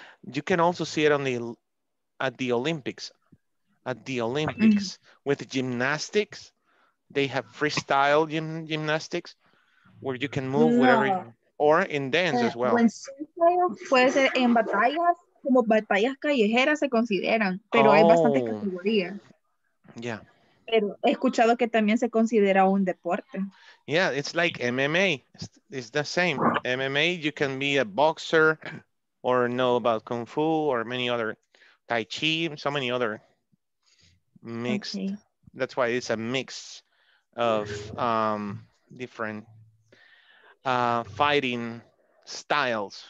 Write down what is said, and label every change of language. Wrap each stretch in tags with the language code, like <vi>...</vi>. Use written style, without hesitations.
<en>You can also see it at the Olympics with gymnastics. They have freestyle gymnastics where you can move whatever, or in dance as well. When freestyle,</en> <es>puede ser en batallas, como batallas callejeras se consideran, pero hay bastantes categorías.</es> <en>Yeah.</en> <es>Pero he escuchado que también se considera un deporte.</es> <en>Yeah, it's like MMA. It's the same. MMA, you can be a boxer or know about Kung Fu or many other, Tai Chi, so many other mixed. Okay. That's why it's a mix of different fighting styles.</en>